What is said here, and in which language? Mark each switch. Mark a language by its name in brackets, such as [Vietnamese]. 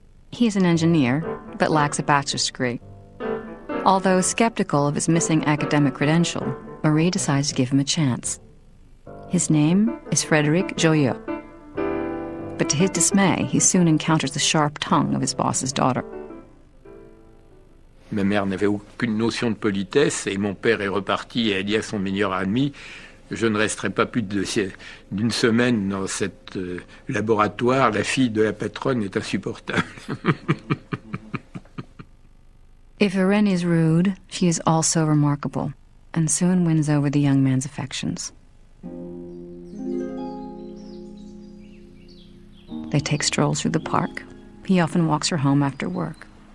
[English] He is an engineer, but lacks a bachelor's degree. Although skeptical of his missing academic credential, Marie decides to give him a chance. His name is Frederic Joyeux. But to his dismay, he soon encounters the sharp tongue of his boss's daughter. [French] Ma mère n'avait aucune notion de politesse, et mon père est reparti et a dit à son meilleur ami, je ne resterai pas plus d'une semaine dans cet laboratoire. La fille de la patronne est insupportable. [English] If Irene is rude, she is also remarkable, and soon wins over the young man's affections. They take strolls through the park. He often walks her home after work.